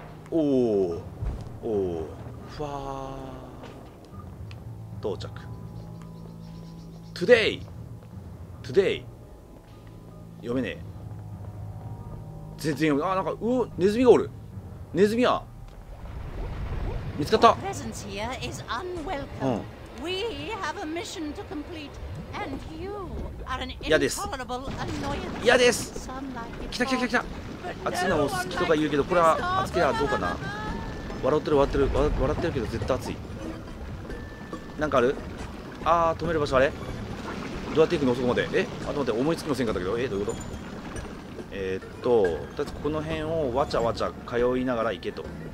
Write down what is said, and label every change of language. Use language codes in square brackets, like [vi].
[ja] おおーおー、ふわー、到着。トゥデイトゥデイ、読めねえ、全然読めない。あ、なんか、うお、ネズミがおる。ネズミや、見つかった。 [en] Our presence here is unwelcome. We have a mission to complete, and you are an intolerable annoyance. [ja] 嫌です。来た来た来た来た。熱いのも好きとか言うけど、これは熱けりゃどうかな。笑ってる笑ってる、笑ってるけど絶対熱い。なんかある？あー、止める場所あれ？どうやって行くの？そこまで。え、あと待って、思いつきませんかったけど。え、どういうこと？とりあえずこの辺をわちゃわちゃ通いながら行けと。